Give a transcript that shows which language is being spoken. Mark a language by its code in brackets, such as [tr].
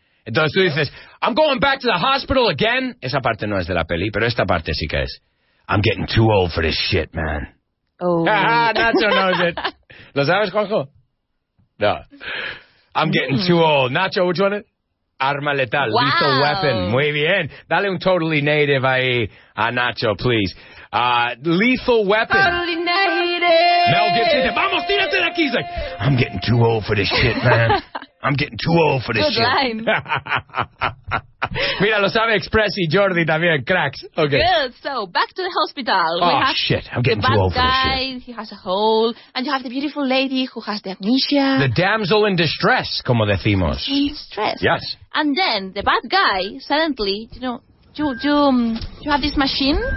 [es] Entonces tú dices, [en] I'm going back to the hospital again. [es] Esa parte no es de la peli, pero esta parte sí que es. [en] I'm getting too old for this shit, man. Oh. Nacho knows it. [es] ¿Lo sabes, Juanjo? No. [en] I'm getting too old. Nacho, which one is it? [es] Arma letal. Wow. [en] Lethal weapon. [es] Muy bien. Dale un [en] totally native [es] ahí a Nacho, please. [en] Lethal weapon. Totally native. [es] Mel Gibson. Vamos, tírate de aquí. [en] He's like, I'm getting too old for this shit, man. I'm getting too old for this good shit. Line. [es] Mira, lo sabe Express y Jordi también, cracks. Okay. [en] Good, so back to the hospital. Oh, we have shit, I'm getting too old guy, for this shit. The bad guy, he has a hole, and you have the beautiful lady who has the amnesia. The damsel in distress, [es] como decimos. [en] In distress. Yes. And then the bad guy, suddenly, you know, you have this machine.